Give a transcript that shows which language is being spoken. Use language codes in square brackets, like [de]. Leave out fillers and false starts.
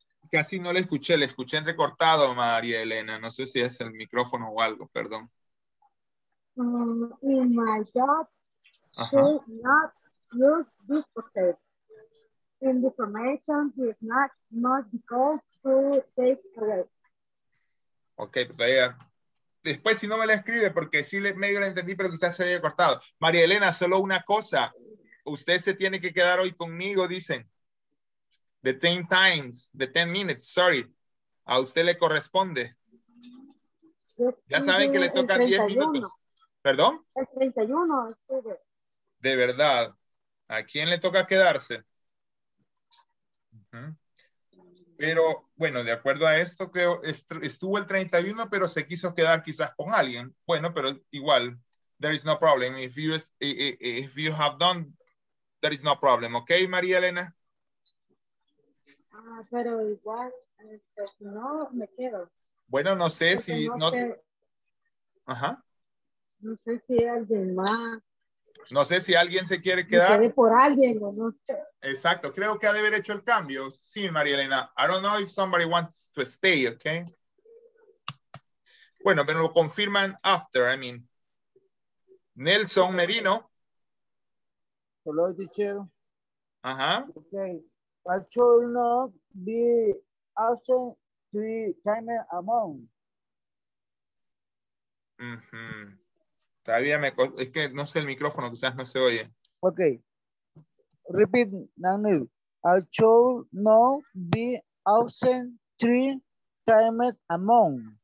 [es] Casi no le escuché, le escuché entrecortado, María Elena. No sé si es el micrófono o algo, perdón. [en] In my job, not use duplicate information is not the goal to take away. [es] Okay, todavía. Después, si no me la escribe, porque sí medio la entendí, pero quizás se haya cortado. María Elena, solo una cosa. Usted se tiene que quedar hoy conmigo, dicen. [en] The 10 times, the 10 minutes, sorry. [es] A usted le corresponde. Ya saben que le toca 10 minutos. ¿Perdón? El 31 estuve. De verdad. ¿A quién le toca quedarse? Pero, bueno, de acuerdo a esto, creo, estuvo el 31, pero se quiso quedar quizás con alguien. Bueno, pero igual, [en] there is no problem. If you have done, there is no problem. [es] ¿Ok, María Elena? Pero igual, no me quedo. Bueno, no sé porque si... No, no, sé, ajá. No sé si alguien más... No sé si alguien se quiere quedar. Quede por alguien o no sé. Exacto, creo que ha de haber hecho el cambio. Sí, María Elena. [en] I don't know if somebody wants to stay, okay? [es] Bueno, pero lo confirman [en] after, I mean. [es] Nelson Merino. [en] Hello, teacher. [es] Ajá. [en] Okay. I should not be absent 3 times a month. [es] Mm-hmm. Todavía me... Es que no sé el micrófono, quizás no se oye. [en] Okay. Repeat, Daniel. I should not be absent 3 times a month.